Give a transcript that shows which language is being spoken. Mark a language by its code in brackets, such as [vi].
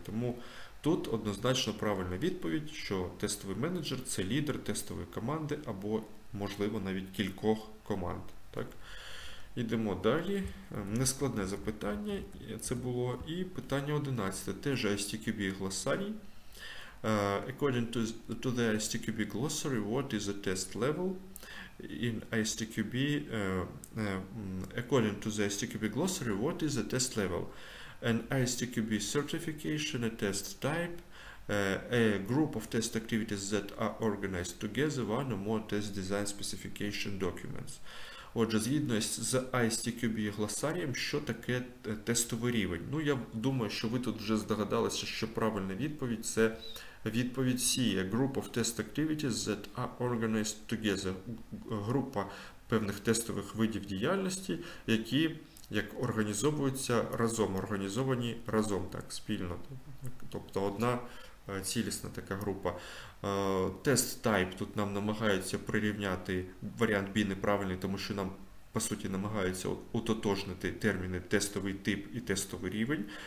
[uk] Тому тут однозначно правильна відповідь, що тестовий менеджер – це лідер тестової команди або, можливо, навіть кількох команд. Так? Йдемо далі. Нескладне запитання це було. І питання 11. Теж STQB глосарій. [en] According to the STQB glossary, what is a test level? In STQB, according to the STQB glossary, what is a test level? An STQB certification, a test type, a group of test activities that are organized together, one or more test design specification documents. [uk] Отже, згідно з ISTQB гласарієм, що таке тестовий рівень? Ну, я думаю, що ви тут вже здогадалися, що правильна відповідь – це відповідь C. [en] A group of test activities that are organized together. [uk] Група певних тестових видів діяльності, які як організовуються разом, організовані разом, так, спільно. Тобто одна цілісна така група. Тест type тут нам намагаються прирівняти, варіант B неправильний, тому що нам, по суті, намагаються утотожнити терміни тестовий тип і тестовий рівень.